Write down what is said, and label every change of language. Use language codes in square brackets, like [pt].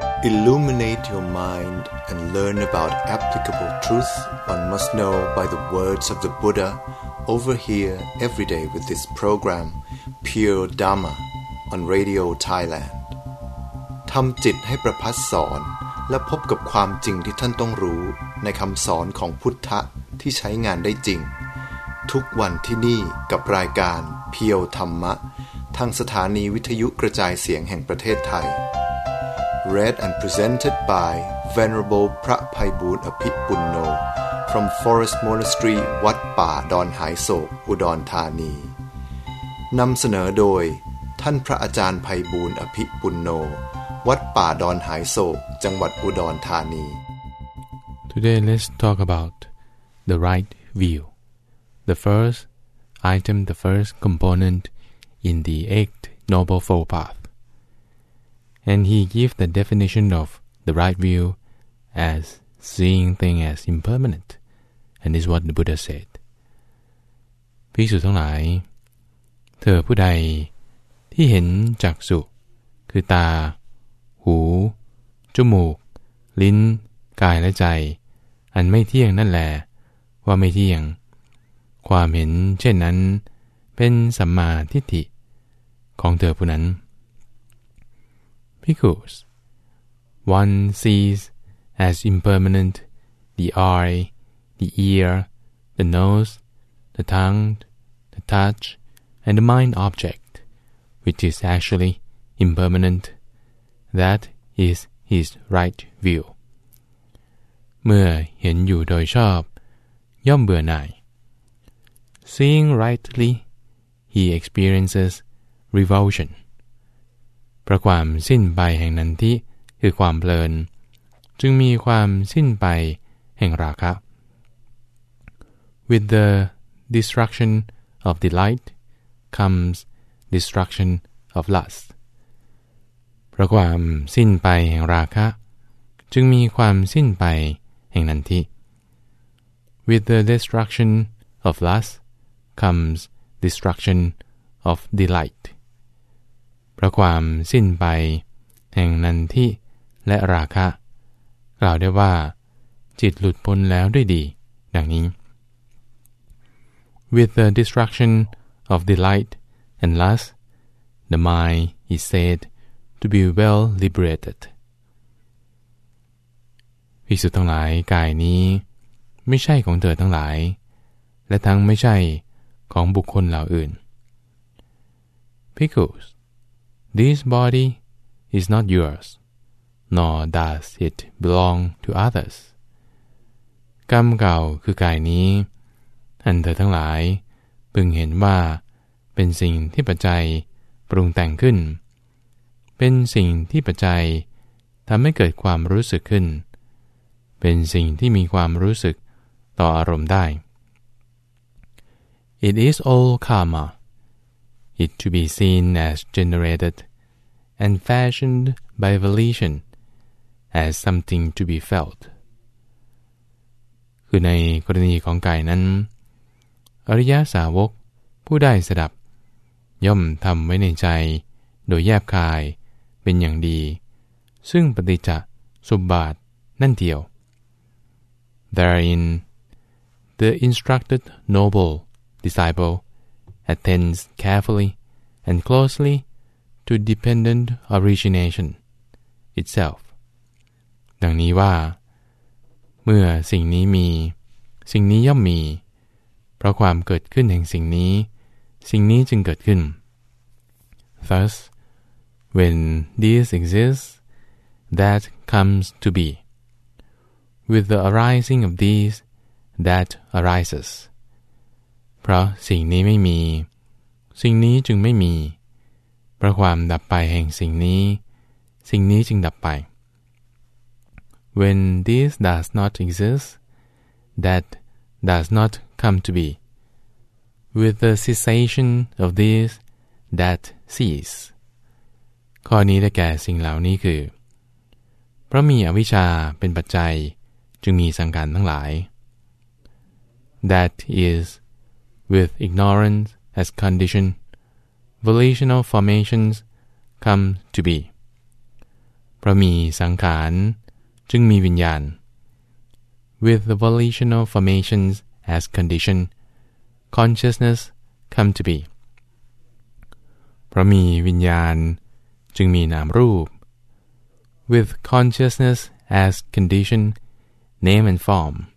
[en] Illuminate your mind and learn about applicable truth one must know by the words of the Buddha over here every day with this program, Pure Dharma, on Radio Thailand. [th] ทำจิตให้ประพัสสอนและพบกับความจริงที่ท่านต้องรู้ในคำสอนของพุทธะที่ใช้งานได้จริงทุกวันที่นี่กับรายการเพียวธรรมะทางสถานีวิทยุกระจายเสียงแห่งประเทศไทย [en] Read and presented by Venerable [th] พระไพบูลย์อภิปุณโญ [en] from Forest Monastery [th] วัดป่าดอนหายโศกอุดรธานีนำเสนอโดยท่านพระอาจารย์ไพบูลย์อภิปุณโญวัดป่าดอนหายโศกจังหวัดอุดรธานี [en] Today let's talk about the right view the first item the first componentIn the Eight Noble Fold Path, and he gives the definition of the right view as seeing things as impermanent, and this is what the Buddha said. [th] ภิกษุทั้งหลายเธอผู้ใดที่เห็นจักษุคือตาหูจมูกลิ้นกายและใจอันไม่เที่ยงนั่นแลว่าไม่เที่ยง ความเห็นเช่นนั้นเป็นสัมมาทิฏฐิของเธอผู้นั้น [en] Because one sees as impermanent the eye, the ear, the nose, the tongue, the touch, and the mind object, which is actually impermanent, that is his right view. [th] เมื่อเห็นอยู่โดยชอบย่อมเบื่อหน่าย [en] Seeing rightly, he experiencesrevulsion [th] เพราะความสิ้นไปแห่งนันทิคือความเพลินจึงมีความสิ้นไปแห่งราคะ [en] With the destruction of delight comes destruction of lust [th] เพราะความสิ้นไปแห่งราคะจึงมีความสิ้นไปแห่งนันทิ [en] With the destruction of lust comes destruction of delight [th] เพราะความสิ้นไปแห่งนันทิและราคะกล่าวได้ว่าจิตหลุดพ้นแล้วด้วยดีดังนี้ [en] With the destruction of delight and lust the mind is said to be well liberated [th] ภิกษุทั้งหลายกายนี้ไม่ใช่ของเธอทั้งหลายและทั้งไม่ใช่ของบุคคลเหล่าอื่น [en] Because This body is not yours, nor does it belong to others. [th] กรรมเก่าคือกายนี้อันเธอทั้งหลายพึงเห็นว่าเป็นสิ่งที่ปัจจัยปรุงแต่งขึ้นเป็นสิ่งที่ปัจจัยทำให้เกิดความรู้สึกขึ้นเป็นสิ่งที่มีความรู้สึกต่ออารมณ์ได้ [en] It is all karma. It to be seen as generated and fashioned by volition as something to be felt. [th] คือในกรณีของกายนั้นอริยสาวกผู้ได้สดับย่อมทำไว้ในใจโดยแยบคายเป็นอย่างดีซึ่งปฏิจจสมุปบาทนั่นเดียว [en] Therein, the instructed noble disciple,attends carefully and closely to dependent origination itself. [th] ดังนี้ว่าเมื่อสิ่งนี้มีสิ่งนี้ย่อมมีเพราะความเกิดขึ้นแห่งสิ่งนี้สิ่งนี้จึงเกิดขึ้น [en] Thus, when this exists, that comes to be. With the arising of these, that arises. [th] เพราะสิ่งนี้ไม่มีสิ่งนี้จึงไม่มีเพราะความดับไปแห่งสิ่งนี้สิ่งนี้จึงดับไป [en] When this does not exist, that does not come to be. With the cessation of this, that cease. [th] ข้อนี้ได้แก่สิ่งเหล่านี้คือเพราะมีอวิชชาเป็นปัจจัยจึงมีสังขารทั้งหลาย [en] That isWith ignorance as condition, volitional formations come to be. [th] พราะมีสังขารจึงมีวิญญาณ [en] With the volitional formations as condition, consciousness come to be. [th] พราะมีวิญญาณจึงมีนามรูป [en] With consciousness as condition, name and form.